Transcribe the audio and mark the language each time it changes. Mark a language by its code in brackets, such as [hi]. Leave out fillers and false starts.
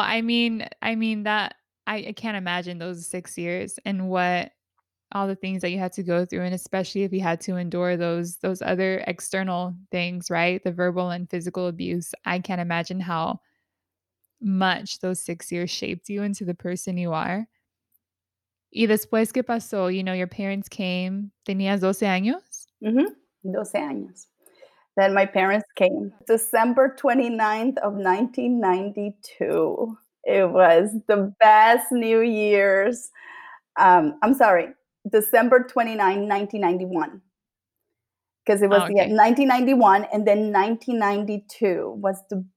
[en] I mean that I can't imagine those 6 years and what all the things that you had to go through, and especially if you had to endure those other external things, right? The verbal and physical abuse. I can't imagine how much those 6 years shaped you into the person you are. [es] Y después que pasó, [en] you know, your parents came, [es] tenías 12 años? Mm-hmm. 12 años. [en] Then my parents came December 29th of 1992. It was the best New Year's. I'm sorry. December 29, 1991, because it was 1991, and then 1992 was the